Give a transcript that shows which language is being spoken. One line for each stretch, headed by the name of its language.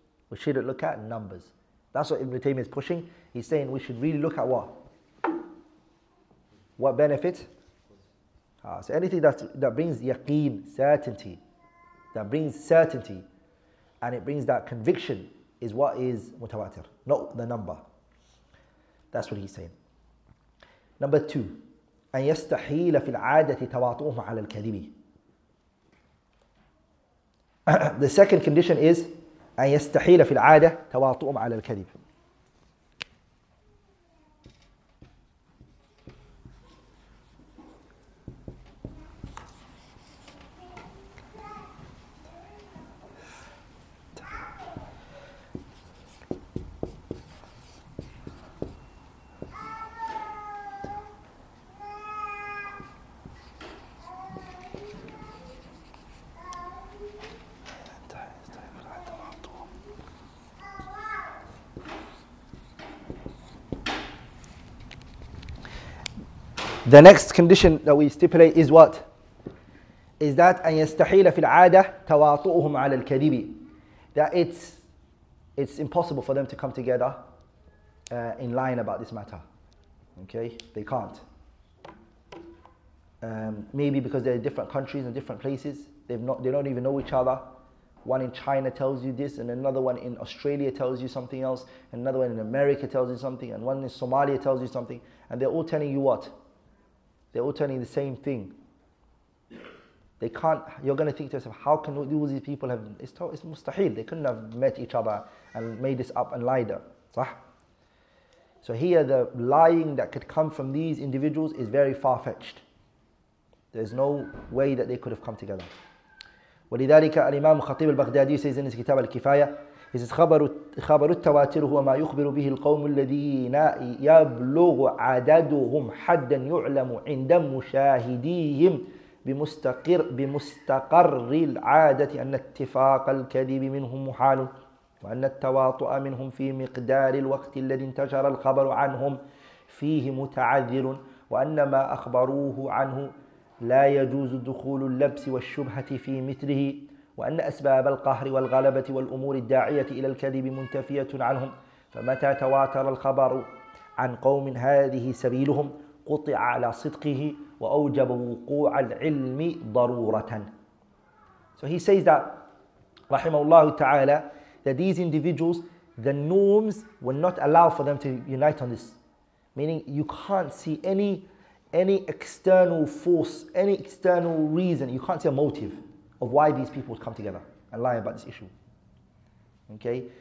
English: We should look at numbers. That's what Ibn Taymiyyah is pushing. He's saying we should really look at what? What benefit? So anything that brings yaqeen, certainty, that brings certainty, and it brings that conviction, is what is mutawatir, not the number. That's what he's saying. Number two,
Arabic: أن يستحيل في العادة تواطؤهم على الكذب.
English: The second condition is
Arabic: أن يستحيل في العادة تواطؤهم على الكذب.
English: The next condition that we stipulate is what? Is that
Arabic: أن يستحيل في العادة تواطؤهم على الكذب.
English: That it's impossible for them to come together in line about this matter. Okay, they can't. Maybe because they're different countries and different places. They don't even know each other. One in China tells you this, and another one in Australia tells you something else, and another one in America tells you something, and one in Somalia tells you something, and they're all telling you what? They're all telling the same thing. They can't. You're going to think to yourself, how can all these people have? It's mustahil. They couldn't have met each other and made this up and lied up.
Arabic: صح?
English: So here, the lying that could come from these individuals is very far-fetched. There's no way that they could have come together.
Arabic: ولذلك الإمام الخطيب البغدادي
English: says in his
Arabic: كتاب الكفاية,
English: he says
Arabic: خبر التواتر هو ما يخبر به القوم الذين يبلغ عددهم حدا يعلم عند مشاهديهم بمستقر العادة أن اتفاق الكذب منهم محال وأن التواطؤ منهم في مقدار الوقت الذي انتشر الخبر عنهم فيه متعذر وأن ما أخبروه عنه لا يجوز دخول اللبس والشبهة في مثله وأن أسباب القهر والغلبة والأمور الداعية إلى الكذب منتفية عنهم فمتى تواتر الخبر عن قوم هذه سبيلهم قطع على صدقه وأوجب وقوع العلم ضرورة.
English: So he says that,
Arabic: رحمه الله تعالى,
English: that these individuals, the norms will not allow for them to unite on this. Meaning you can't see any external force, any external reason, you can't see a motive of why these people would come together and lie about this issue. Okay?